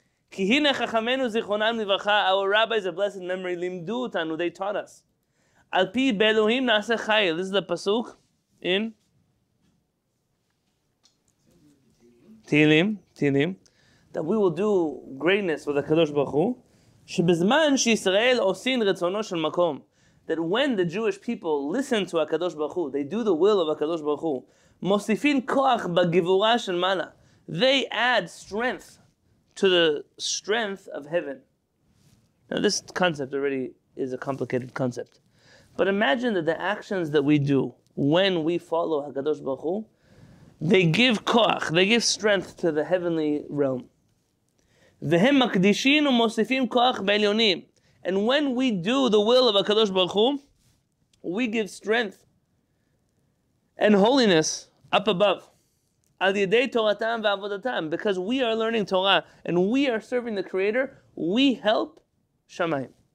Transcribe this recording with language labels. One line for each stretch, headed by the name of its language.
Hebrew: Ki hine chachamenu zichronam livracha,
English: our rabbis of blessed memory,
Hebrew: limdu otanu,
English: they taught us.
Hebrew: Al pi be'elohim nase chayil.
English: This is the pasuk in Tehilim, that we will do greatness with the Kadosh Baruch Hu.
Hebrew: שבזמן שישראל עושים רצונו של מקום,
English: that when the Jewish people listen to HaKadosh Baruch Hu, they do the will of HaKadosh Baruch Hu,
Hebrew: מוסיפים כוח בגבורה של מעלה,
English: they add strength to the strength of heaven. Now this concept already is a complicated concept. But imagine that the actions that we do when we follow HaKadosh Baruch Hu, they give koach, they give strength to the heavenly realm.
Hebrew: והם מקדישים ומוסיפים כוח בעליונים.
English: And when we do the will of HaKadosh Baruch Hu, we give strength and holiness up above.
Hebrew: על ידי תורתם ועבודתם.
English: Because we are learning Torah and we are serving the Creator, we help Shamayim.